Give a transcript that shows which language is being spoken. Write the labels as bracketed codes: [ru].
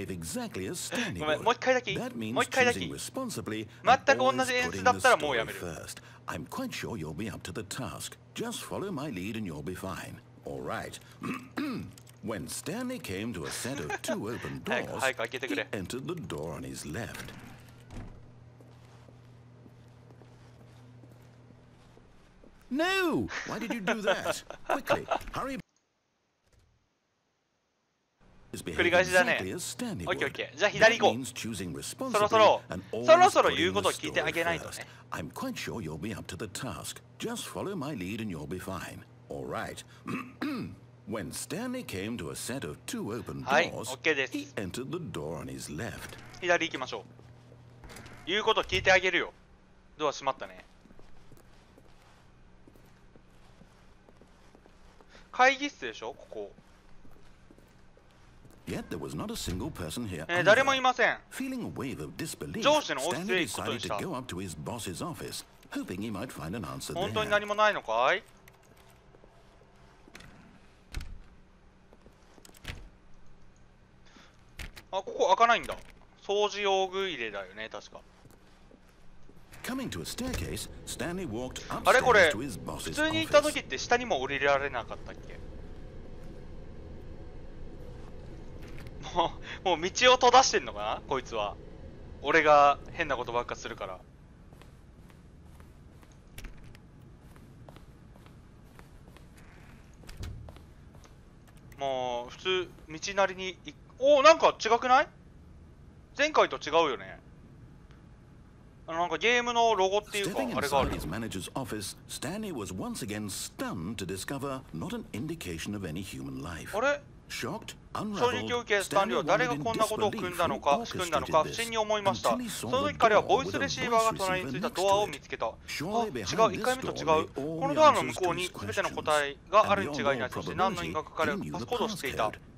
[en] Behave exactly as Stanley would. [ja] もう一回だけ。 [en] That means choosing responsibly. [ja] 全く同じ演出だったらもうやめる。 [en] I'm quite sure you'll be up to the task. Just follow my lead and you'll be fine. All right. When Stanley came to a set of two open doors, he entered the door on his left. No! Why did you do that? Quickly, hurry. [ja] 繰り返しだね。オッケーオッケー。じゃあ左行こう。そろそろ、そろそろ言うことを聞いてあげないとね。 [en] I'm quite sure you'll be up to the task. Just follow my lead and you'll be fine. All right. When Stanley came to a set of two open doors, he entered the door on his left. [ja] 左行きましょう。言うことを聞いてあげるよ。ドア閉まったね。会議室でしょ、ここ。 [en] Yet there was not a single person here. [ja] 誰もいません。 [en] Feeling a wave of disbelief, Stanley decided to go up to his boss's office, hoping he might find an answer there. [ja] 本当に何もないのかい？あ、ここ開かないんだ。掃除用具入れだよね、確か。 [en] Coming to a staircase, Stanley walked up to his boss's office. [ja] 普通に行った時って下にも降りられなかったっけ？もう道を閉ざしてんのかな、こいつは。俺が変なことばっかするから。もう普通道なりに。おお、なんか違くない？前回と違うよね。あの、なんかゲームのロゴっていうかあれがある。 [en] his manager's office, Stanley was once again stunned to discover not an indication of any human life. [ja] あれ？衝撃を受け、スタンリーは誰がこんなことを組んだのか不審に思いました。その時彼はボイスレシーバーが隣についたドアを見つけた。あ、違う、1回目と違う。このドアの向こうに全ての答えがあるに違いない。そして何の因果か彼はパスコードを知っていた。